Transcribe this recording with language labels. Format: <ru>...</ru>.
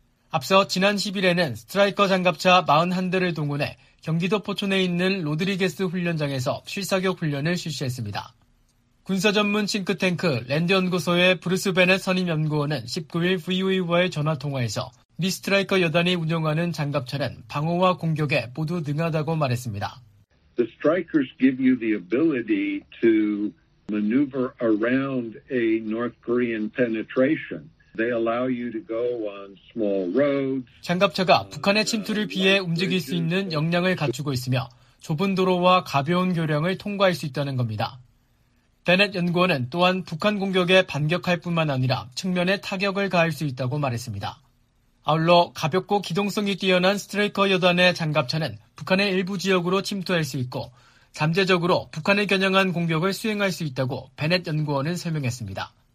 <ko>앞서 지난 10일에는 스트라이커 장갑차 41대를 동원해 경기도 포천에 있는 로드리게스 훈련장에서 실사격 훈련을 실시했습니다. 군사전문 싱크탱크 랜드연구소의 브루스 베넷 선임연구원은 19일 VOA와의 전화통화에서 미 스트라이커 여단이 운영하는 장갑차는 방어와 공격에 모두 능하다고 말했습니다.</ko> <en>The strikers give you the ability to maneuver around a North Korean penetration. They allow you to go on small roads.</en> <ko>장갑차가 북한의 침투를 피해 움직일 수 있는 역량을 갖추고 있으며 좁은 도로와 가벼운 교량을 통과할 수 있다는 겁니다. 베넷 연구원은 또한 북한 공격에 반격할 뿐만 아니라 측면에 타격을 가할 수 있다고 말했습니다. 아울러 가볍고 기동성이 뛰어난 스트라이커 여단의 장갑차는 북한의 일부 지역으로 침투할 수 있고 잠재적으로 북한을 겨냥한 공격을 수행할 수 있다고 베넷 연구원은 설명했습니다.</ko>